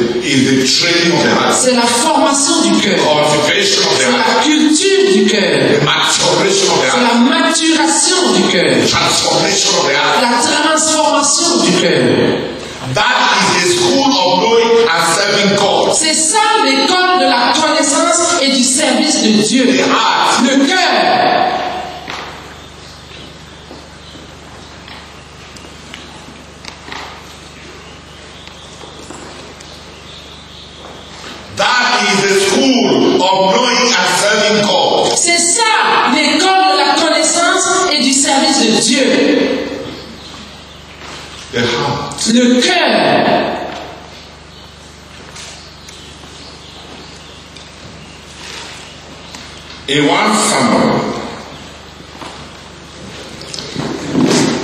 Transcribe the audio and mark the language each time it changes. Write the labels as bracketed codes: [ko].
[en] Is the training of the heart. [fr] C'est la formation du cœur. [en] Cultivation of the heart. [fr] C'est la culture du cœur. [en] Maturation of the heart. [fr] C'est la maturation du cœur. [en] Transformation of the heart. [fr] La transformation du cœur. [en] That is the school of knowing and serving God. [fr] C'est ça l'école de la connaissance et du service de Dieu. [en] The heart. [fr] Le cœur. [en] That is the school of knowing and serving God. [fr] C'est ça l'école de la connaissance et du service de Dieu. [en] The heart. [fr] Le cœur. [en] In one summer.